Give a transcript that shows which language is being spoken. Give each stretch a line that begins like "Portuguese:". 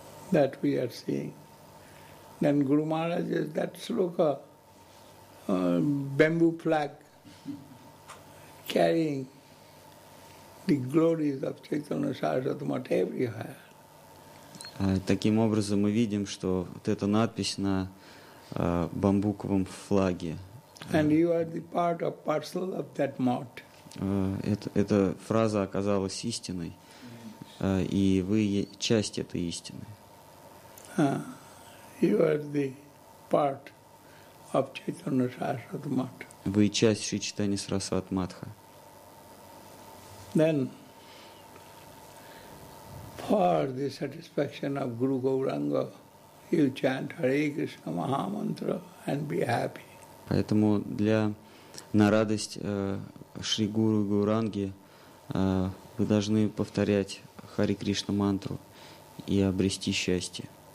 English: That we are seeing. Then Guru Maharaj says, that sloka, bamboo flag carrying the glories of Chaitanya Sarasvata Mata everywhere.
Russian: Таким образом мы видим, что вот эта надпись на бамбуковом флаге.
English: And you are the part of parcel of that mart.
Russian: Эта фраза оказалась истиной, и вы часть этой истины.
English: You are the part of Chaitanya Sarasvata Mata.
Russian: Вы часть Шри Чайтаньи Сарасват Матха.
English: Then, for the satisfaction of Guru Gauranga, you chant Hare Krishna Mahamantra and be happy.
Russian: Поэтому для на радость Шри Гуру Гауранги вы должны повторять Хари Кришна мантру и обрести счастье.